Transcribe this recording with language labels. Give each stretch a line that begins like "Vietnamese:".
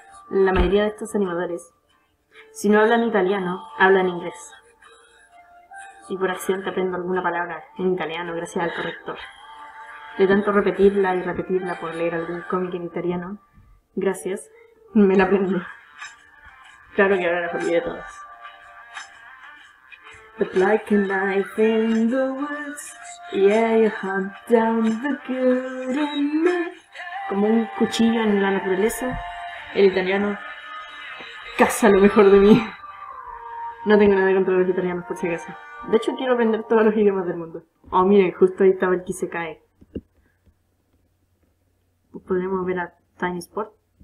Spanish: La mayoría de estos animadores, si no hablan italiano, hablan inglés. Y por accidente aprendo alguna palabra en italiano gracias al corrector. De tanto repetirla y repetirla por leer algún cómic en italiano, gracias, me la aprendo. Claro que ahora la olvidé todas.
English: But like a knife in the woods, yeah, you hunt down the good in me.
Spanish: Como un cuchillo en la naturaleza, el italiano caza lo mejor de mí. No tengo nada contra los italianos, por si acaso. De hecho, quiero aprender todos los idiomas del mundo. Oh, miren, justo ahí estaba el que se cae. Podemos ver a Tiny Sport.